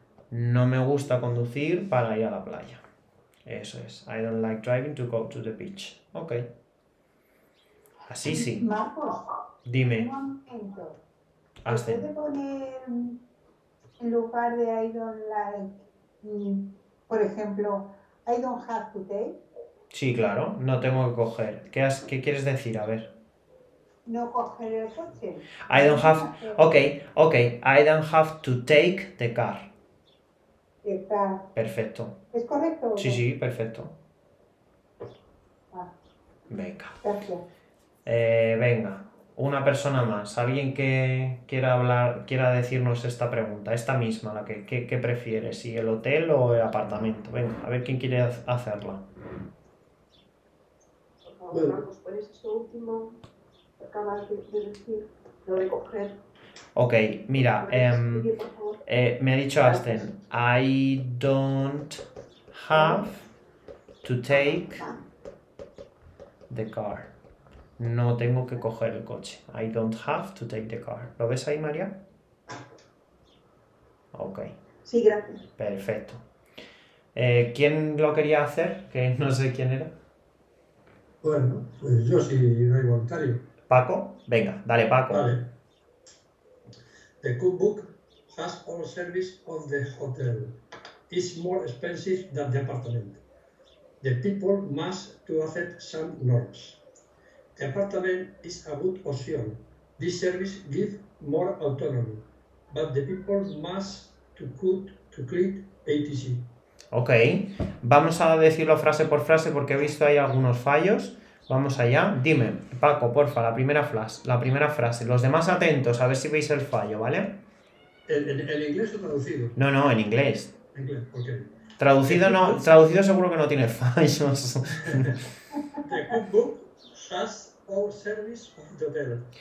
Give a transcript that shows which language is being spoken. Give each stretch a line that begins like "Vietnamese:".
Spanish: No me gusta conducir para ir a la playa. Eso es.
English: I don't like driving to go to the beach.
Spanish: Ok. Así sí. Marco, dime. Un momento. ¿Se puede poner en lugar de
English: I don't like,
Spanish: por ejemplo,
English: I don't have to take?
Spanish: Sí, claro. No tengo que coger. ¿Qué quieres decir? A ver. No coger el coche.
English: I don't have... Ok. I don't have to take the car.
Spanish: Está. Perfecto. ¿Es correcto? Sí, sí, perfecto. Ah. Venga. Gracias. Venga, una persona más. Alguien que quiera hablar, quiera decirnos esta pregunta, esta misma, la que ¿qué prefiere? ¿Si el hotel o el apartamento? Venga, a ver quién quiere hacerla. Bueno, pues por eso último acabas de decir, lo de coger. Ok, mira, me ha dicho
English: Asten, I don't have to take the car.
Spanish: No tengo que coger el coche.
English: I don't have to take the car.
Spanish: ¿Lo ves ahí, María? Ok. Sí, gracias. Perfecto. ¿Quién lo quería hacer? Que no sé quién era. Bueno, pues yo sí, no hay voluntario. ¿Paco? Venga, dale, Paco. Vale.
English: The cookbook has all service of the hotel. It's more expensive than the apartment. The people must to accept some norms. The apartment is a good option. This service gives more autonomy. But the people must to cook to clean ATC.
Spanish: Ok, vamos a decirlo frase por frase porque he visto ahí algunos fallos. Vamos allá. Dime, Paco, porfa, la primera frase. Los demás atentos, a ver si veis el fallo, ¿vale? ¿En inglés o traducido? No, no, en inglés. En inglés, ok. Traducido no, traducido seguro que no tiene fallos.
English: The cookbook has all service of the hotel.